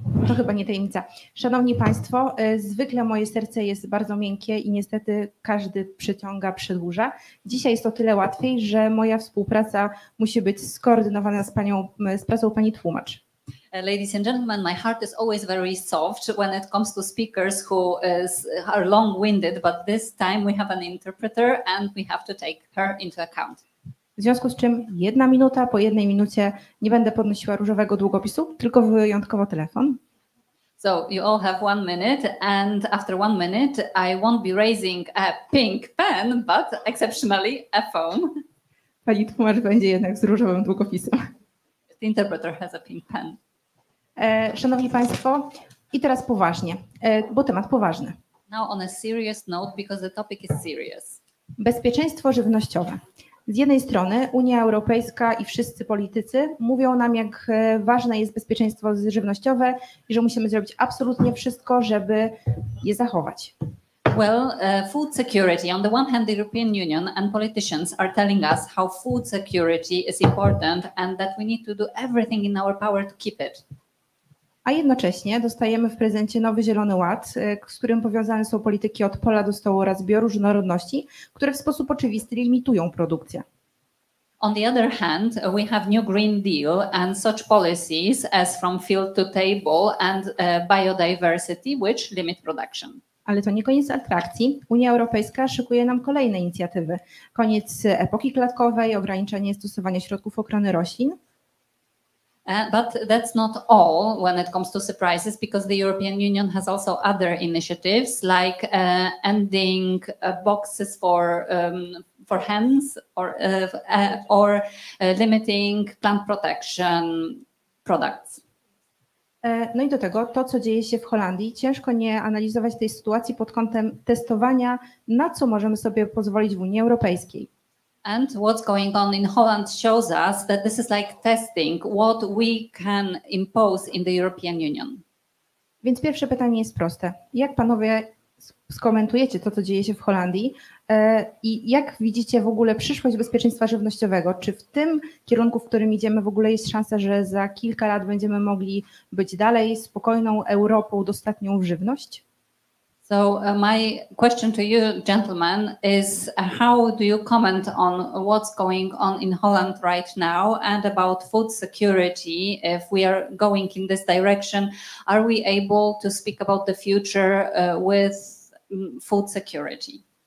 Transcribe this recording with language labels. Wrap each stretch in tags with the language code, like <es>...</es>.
<pl>to chyba nie tajemnica. Szanowni Państwo, zwykle moje serce jest bardzo miękkie i niestety każdy przeciąga, przedłuża. Dzisiaj jest to tyle łatwiej, że moja współpraca musi być skoordynowana z panią, z pracą pani tłumacz.</pl> <en>Ladies and gentlemen, my heart is always very soft when it comes to speakers who are long-winded, but this time we have an interpreter and we have to take her into account.</en> <pl>W związku z czym jedna minuta, po jednej minucie nie będę podnosiła różowego długopisu, tylko wyjątkowo telefon.</pl> <en>So you all have 1 minute and after 1 minute I won't be raising a pink pen, but exceptionally a phone.</en> <pl>Pani tłumacz będzie jednak z różowym długopisem.</pl> <en>The interpreter has a pink pen.</en> <pl>Szanowni Państwo, i teraz poważnie, bo temat poważny.</pl> <en>Now on a serious note, because the topic is serious.</en> <pl>Bezpieczeństwo żywnościowe. Z jednej strony Unia Europejska i wszyscy politycy mówią nam, jak ważne jest bezpieczeństwo żywnościowe i że musimy zrobić absolutnie wszystko, żeby je zachować.</pl> <en>Well, food security. On the one hand, the European Union and politicians are telling us how food security is important and that we need to do everything in our power to keep it.</en> <pl>A jednocześnie dostajemy w prezencie nowy Zielony Ład, z którym powiązane są polityki od pola do stołu oraz bioróżnorodności, które w sposób oczywisty limitują produkcję.</pl> <en>On the other hand, we have new Green Deal and such policies as from field to table and biodiversity, which limit production.</en> <pl>Ale to nie koniec atrakcji. Unia Europejska szykuje nam kolejne inicjatywy. Koniec epoki klatkowej, ograniczenie stosowania środków ochrony roślin.</pl> <en>But that's not all when it comes to surprises, because the European Union has also other initiatives like ending boxes for hens or limiting plant protection products.</en> <pl>No i do tego to, co dzieje się w Holandii, ciężko nie analizować tej sytuacji pod kątem testowania, na co możemy sobie pozwolić w Unii Europejskiej.</pl> <en>And what's going on in Holland shows us that this is like testing what we can impose in the European Union.</en> <pl>Więc pierwsze pytanie jest proste. Jak panowie skomentujecie to, co dzieje się w Holandii i jak widzicie w ogóle przyszłość bezpieczeństwa żywnościowego? Czy w tym kierunku, w którym idziemy, w ogóle jest szansa, że za kilka lat będziemy mogli być dalej spokojną Europą dostatnią w żywność?</pl> <en>So my question to you, gentlemen, is how do you comment on what's going on in Holland right now and about food security? If we are going in this direction, are we able to speak about the future with food security?</en>